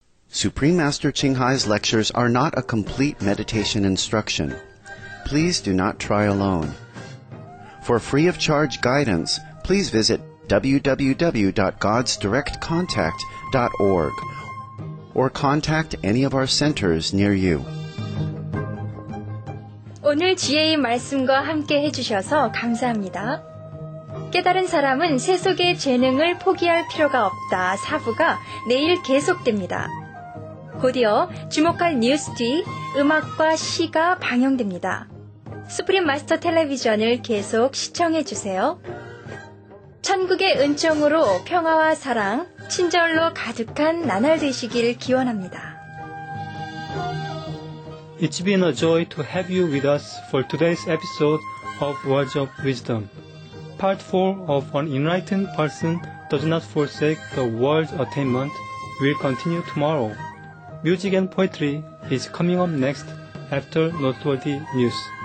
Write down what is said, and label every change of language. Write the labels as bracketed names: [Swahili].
[English] Supreme Master Qinghai's lectures are not a complete meditation instruction. Please do not try alone. For free of charge guidance, please visit www.godsdirectcontact.org or contact any of our centers near you. [Korean] 오늘 지혜의 말씀과 함께 해주셔서 감사합니다. 깨달은 사람은 세 속의 재능을 포기할 필요가 없다. 사부가 내일 계속됩니다. 곧이어 주목할 뉴스 뒤 음악과 시가 방영됩니다. 스프림 마스터 텔레비전을 계속 시청해주세요. 천국의 은총으로 평화와 사랑, 친절로 가득한 나날 되시길 기원합니다. [English] It's been a joy to have you with us for today's episode of Words of Wisdom. Part 4 of An Enlightened Person Does Not Forsake the World's Attainment will continue tomorrow. Music and poetry is coming up next after noteworthy news.